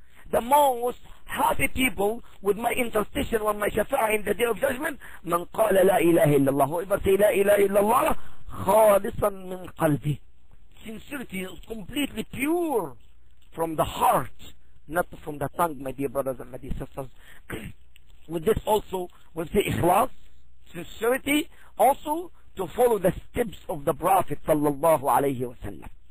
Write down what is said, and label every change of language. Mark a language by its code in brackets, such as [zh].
[en] The most happy people with my intercession or my shafa'a in the day of judgment, [ar] من قال لا إله إلا الله. [en] Whoever say [ar] لا إله إلا الله خالصا من قلبي. [en] Sincerity is completely pure from the heart, not from the tongue, my dear brothers and my dear sisters. With this also, we say ikhlas, sincerity, also to follow the steps of the Prophet sallallahu alayhi wa sallam.